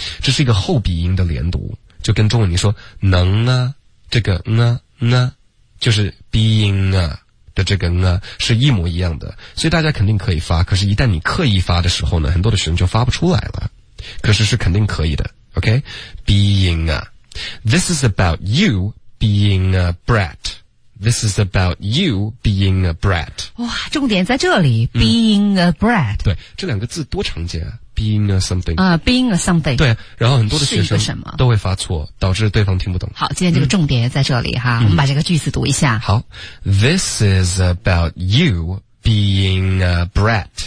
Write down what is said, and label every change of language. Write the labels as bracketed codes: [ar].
[zh] 这是一个后鼻音的连读，就跟中文你说能啊，这个呢呢就是 being 啊。的这个呢是一模一样的，所以大家肯定可以发，可是一旦你刻意发的时候呢，很多的学生就发不出来了，可是是肯定可以的 OK? [en] being a this is about you being a brat this is about you being a brat [zh] 哇，重点在这里、 [en] being a brat [zh] 对，这两个字多常见啊， [en] being a something、 being a something [zh] 对，然后很多的学生都会发错，导致对方听不懂。好，今天这个重点在这里哈、我们把这个句子读一下。 [en] 好， this is about you being a brat